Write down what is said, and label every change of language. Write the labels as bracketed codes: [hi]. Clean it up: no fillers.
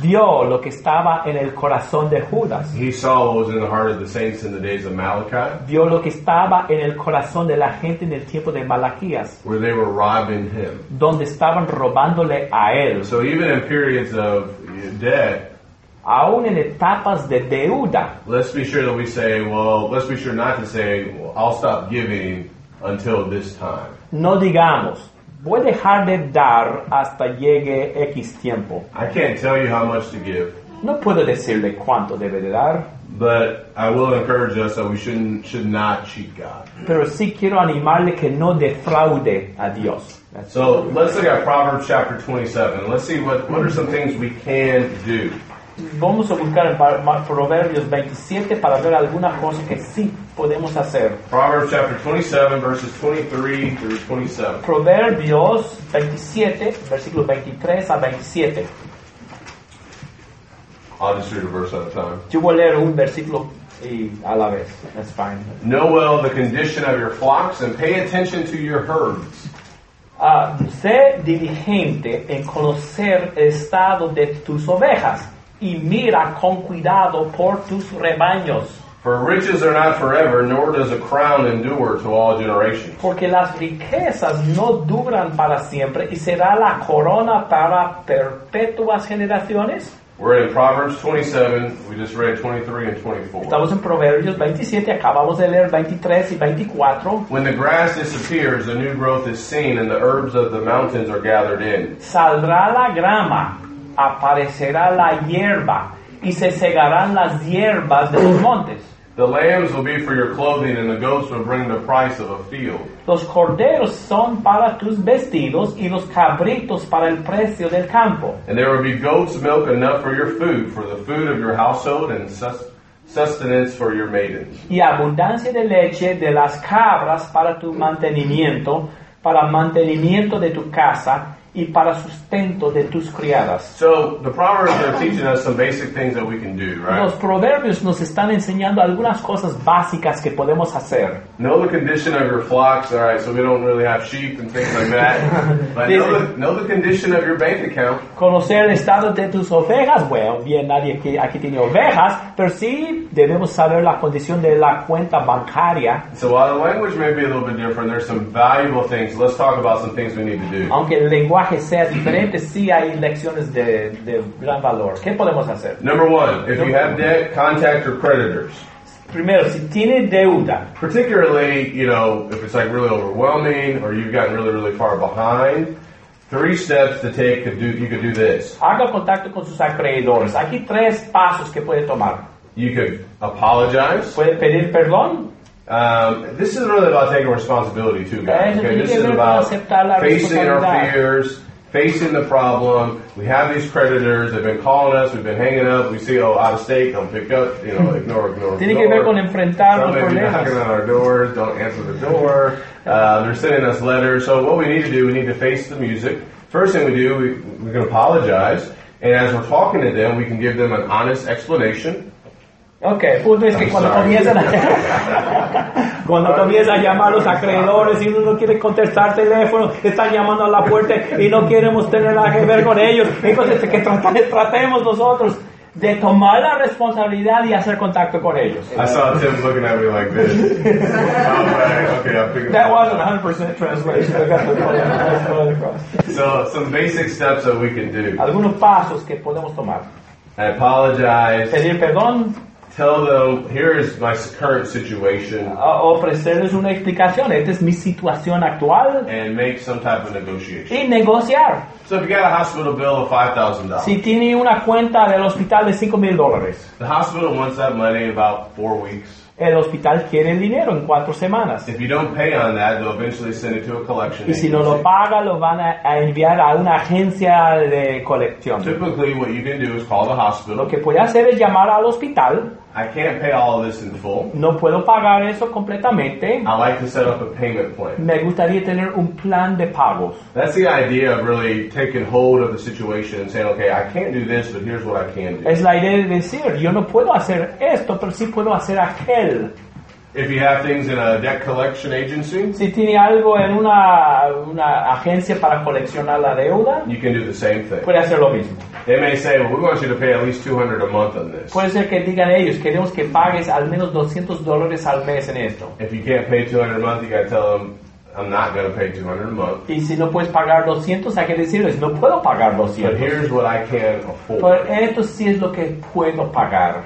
[es] Vio lo que estaba en el corazón de Judas. [en] He saw what was in the heart of the saints in the days of Malachi. [es] Vio lo que estaba en el corazón de la gente en el tiempo de Malaquías. [en] Where they were robbing him. [es] Donde estaban robándole a él. [en] So even in periods of debt, [es] aún en etapas de deuda. [en] Let's be sure that we say, well, let's be sure not to say, well, I'll stop giving until this time. [es] No digamos, voy a dejar de dar hasta llegue X tiempo. [en] I can't tell you how much to give. [es] No puedo decirle cuánto debe de dar. [en] But I will encourage us that we should not cheat God. [es] Pero sí quiero animarle que no defraude a Dios. [en] That's so true. Let's look at Proverbs chapter 27. Let's see what are some things we can do. [es] Vamos a buscar en Proverbios 27 para ver algunas cosas que sí podemos hacer. [en] Proverbs chapter 27, verses 23 through 27. [es] Proverbios 27, versículos 23 a 27. [en] I'll just read a verse at a time. [es] Yo voy a leer un versículo y a la vez. [en] That's fine. Know well the condition of your flocks and pay attention to your herds. [es] Sé diligente en conocer el estado de tus ovejas. Y mira con cuidado por tus rebaños. [en] For riches are not forever, nor does a crown endure to all generations. [es] Porque las riquezas no duran para siempre, y será la corona para perpetuas generaciones. [en] We're in Proverbs 27, we just read 23 and 24. [es] Estamos en Proverbios 27, acabamos de leer 23 y 24. [en] When the grass disappears, a new growth is seen, and the herbs of the mountains are gathered in. [es] Saldrá la grama. Aparecerá la hierba y se segarán las hierbas de los montes. [en] The lambs will be for your clothing and the goats will bring the price of a field. [es] Los corderos son para tus vestidos y los cabritos para el precio del campo. [en] And there will be goat's milk enough for your food, for the food of your household and sustenance for your maidens. [es] Y abundancia de leche de las cabras para tu mantenimiento, para mantenimiento de tu casa y para sustento de tus criadas. [en] So the proverbs are teaching us some basic things that we can do, right? [es] Los proverbios nos están enseñando algunas cosas básicas que podemos hacer. [en] Know the condition of your flocks, all right? So we don't really have sheep and things like that. But know the condition of your bank account. [es] Conocer el estado de tus ovejas. Bueno, bien, nadie aquí tiene ovejas, pero sí debemos saber la condición de la cuenta bancaria. [en] So while the language may be a little bit different, there's some valuable things. Let's talk about some things we need to do. [es] Aunque el lenguaje sea diferente, sí hay lecciones de gran valor. ¿Qué podemos hacer? [en] Number one, if you have debt, contact your creditors. [es] Primero, si tiene deuda. [en] Particularly, you know, if it's like really overwhelming or you've gotten really, really far behind, three steps to take, you could do this. [es] Haga contacto con sus acreedores. Aquí tres pasos que puede tomar. [en] You could apologize. [es] Puede pedir perdón. [en] This is really about taking responsibility too, guys. Okay, this is about facing our fears, facing the problem. We have these creditors, they've been calling us, we've been hanging up, we see, oh, out of state, don't pick up, you know, ignore. [es] Tiene que ver con enfrentar los problemas. [en] Somebody's knocking on our doors, don't answer the door. They're sending us letters. So what we need to do, we need to face the music. First thing we do, we can apologize. And as we're talking to them, we can give them an honest explanation. [es] Okay, punto es que cuando comienzan a llamar los acreedores y uno no quiere contestar teléfono, están llamando a la puerta y no queremos tener nada que ver con ellos, entonces que tratemos nosotros de tomar la responsabilidad y hacer contacto con ellos. [en] I saw Tim looking at me like this. Okay, that wasn't 100% translation. So some basic steps that we can do. [es] Algunos pasos que podemos tomar. [en] I apologize. [es] Pedir perdón. [en] Tell them, here is my current situation. [es] Ofrecerles una explicación. Esta es mi situación actual. [en] And make some type of negotiation. [es] Y negociar. [en] So if you got a hospital bill of $5,000. [es] Si tiene una cuenta del hospital de $5,000. [en] The hospital wants that money in about 4 weeks. [es] el hospital quiere el dinero en 4 semanas. [en] If you don't pay on that, they'll eventually send it to a collection [es] agency. Y si no lo paga, lo van a enviar a una agencia de colección. [en] Typically, what you can do is call the hospital. [es] Lo que puede hacer es llamar al hospital. [en] I can't pay all of this in full. [es] No puedo pagar eso completamente. [en] I like to set up a payment plan. [es] Me gustaría tener un plan de pagos. [en] That's the idea of really taking hold of the situation and saying, okay, I can't do this, but here's what I can do. [es] Es la idea de decir, yo no puedo hacer esto, pero sí puedo hacer aquel. [en] If you have things in a debt collection agency, [es] si tiene algo en una agencia para coleccionar la deuda, [en] you can do the same thing. [es] Puede hacer lo mismo. [en] They may say, well, we want you to pay at least $200 a month on this. [es] Puede ser que digan ellos, queremos que pagues al menos $200 al mes en esto. [en] If you can't pay $200 a month, you got to tell them, I'm not going to pay $200 a month. [es] Y si no puedes pagar $200, hay que decirles, no puedo pagar $200. [en] But here's what I can afford. [es] Pero esto sí es lo que puedo pagar.